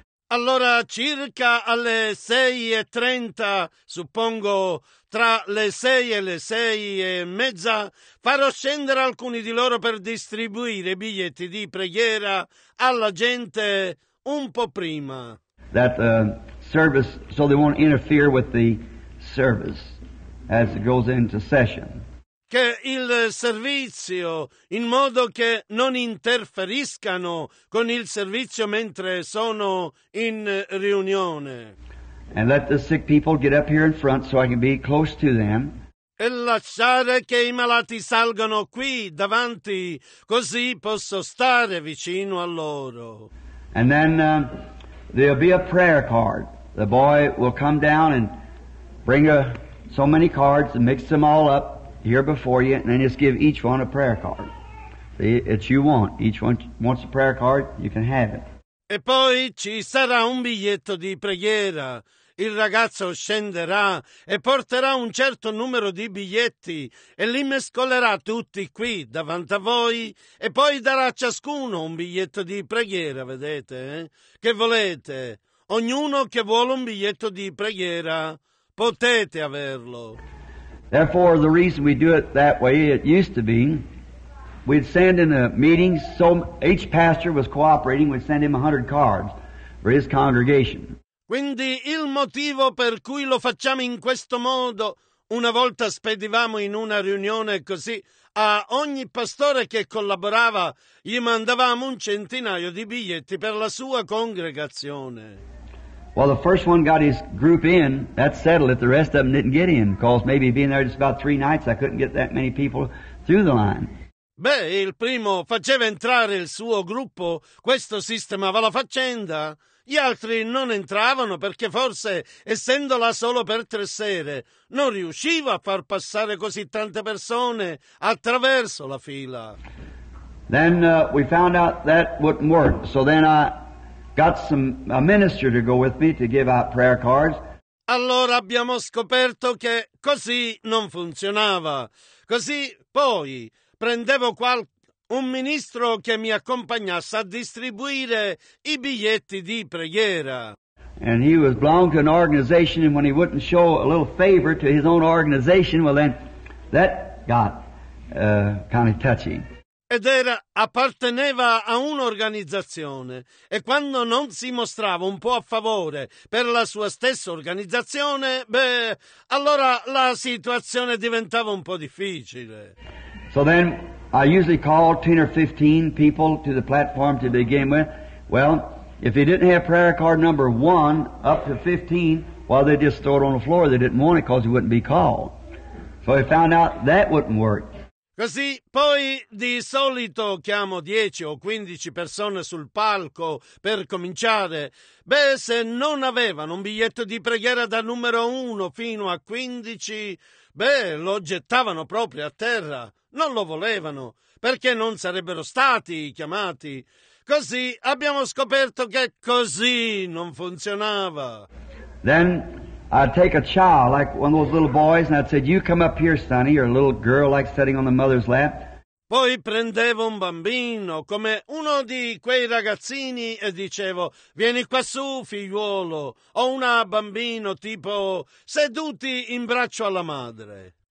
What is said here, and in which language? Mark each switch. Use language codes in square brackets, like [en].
[it] Allora, circa alle 6:30, suppongo, tra le 6 e le 6:30, farò scendere alcuni di loro per distribuire i biglietti di preghiera alla gente un po' prima. [en] That service, so they won't interfere with the service as it goes into session. [it] Che il servizio, in modo che non interferiscano con il servizio mentre sono in riunione. [en] And let the sick people get up here in front so I can be close to them. [it] E lasciare che i malati salgano qui davanti, così posso stare vicino a loro. [en] And then there'll be a prayer card. The boy will come down and bring so many cards and mix them all up here before you, and then just give each one a prayer card. See, it's you want. Each one wants a prayer card, you can have it. [it] E poi ci sarà un biglietto di preghiera. Il ragazzo scenderà e porterà un certo numero di biglietti e li mescolerà tutti qui davanti a voi e poi darà a ciascuno un biglietto di preghiera, vedete? Che volete? Ognuno che vuole un biglietto di preghiera, potete averlo. [en] Therefore, the reason we do it that way, it used to be, we'd send in a meeting, so each pastor was cooperating, we'd send him 100 cards for his congregation. [it] Quindi il motivo per cui lo facciamo in questo modo, una volta spedivamo in una riunione così, a ogni pastore che collaborava, gli mandavamo un centinaio di biglietti per la sua congregazione. [en] Well, the first one got his group in, that settled it. The rest of them didn't get in, because maybe being there just about 3 nights, I couldn't get that many people through the line. [it] Beh, il primo faceva entrare il suo gruppo, questo sistemava la faccenda. Gli altri non entravano perché forse, essendo là solo per 3 sere, non riusciva a far passare così tante persone attraverso la fila. [en] Then we found out that wouldn't work, so then I got a minister to go with me to give out prayer cards. [it] Allora abbiamo scoperto che così non funzionava. Così poi prendevo un ministro che mi accompagnasse a distribuire i biglietti di preghiera. [en] And he was belonged to an organization, and when he wouldn't show a little favor to his own organization, well then, that got kind of touchy. [it] Ed era, apparteneva a un'organizzazione, e quando non si mostrava un po' a favore per la sua stessa organizzazione, beh, allora la situazione diventava un po' difficile. [en] So then I usually call 10 or 15 people to the platform to begin with, Well, if they didn't have prayer card number 1 up to 15, well, they just throw it on the floor. They didn't want it because it wouldn't be called. So he found out that wouldn't work. [it] Così, poi di solito chiamo 10 o 15 persone sul palco per cominciare. Beh, se non avevano un biglietto di preghiera da numero 1 fino a 15, beh, lo gettavano proprio a terra. Non lo volevano, perché non sarebbero stati chiamati. Così abbiamo scoperto che così non funzionava. [en] Then I'd take a child, like one of those little boys, and I'd say, you come up here, sonny, or a little girl, like sitting on the mother's lap. [it] Poi prendevo un bambino, come uno di quei ragazzini, e dicevo, vieni qua su, figliuolo, o una bambino, tipo, seduti in braccio alla madre.